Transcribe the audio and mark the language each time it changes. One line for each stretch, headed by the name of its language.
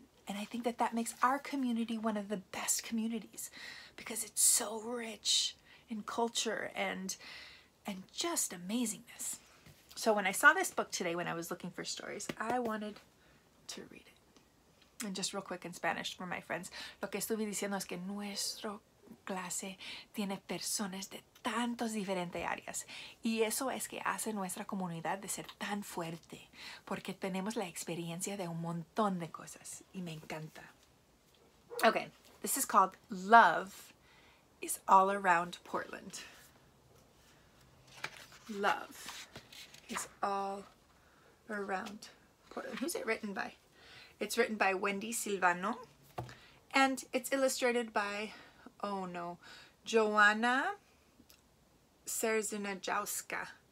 English: And I think that that makes our community one of the best communities because it's so rich in culture and just amazingness. So when I saw this book today, when I was looking for stories, I wanted to read it. And just real quick in Spanish for my friends,
Spanish: lo que estuve diciendo es que nuestro clase tiene personas de tantos diferentes áreas. Y eso es que hace nuestra comunidad de ser tan fuerte, porque tenemos la experiencia de un montón de cosas. Y me encanta.
English: Okay, this is called Love is All Around Portland. Love is All Around Portland. Who's it written by? It's written by Wendy Silvano. And it's illustrated by, Joanna Serzynajowska.